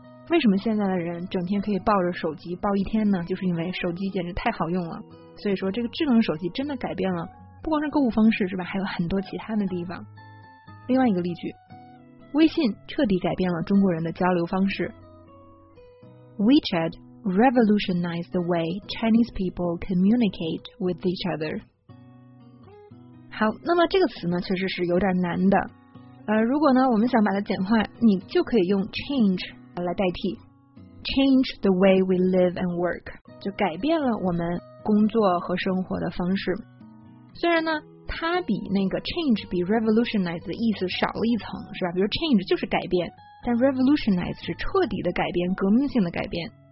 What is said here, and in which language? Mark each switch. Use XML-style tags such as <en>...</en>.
<zh>为什么现在的人整天可以抱着手机抱一天呢？就是因为手机简直太好用了。所以说，这个智能手机真的改变了，不光是购物方式，是吧？还有很多其他的地方。另外一个例句，微信彻底改变了中国人的交流方式。</zh> <en>WeChat revolutionized the way Chinese people communicate with each other.</en> <zh>好，那么这个词呢确实是有点难的，如果呢我们想把它简化，你就可以用 change 来代替。</zh> <en>Change the way we live and work</en> <zh>就改变了我们工作和生活的方式。虽然呢它比那个 change 比 revolutionize 的意思少了一层，是吧？比如 change 就是改变，但 revolutionize 是彻底的改变，革命性的改变。</zh>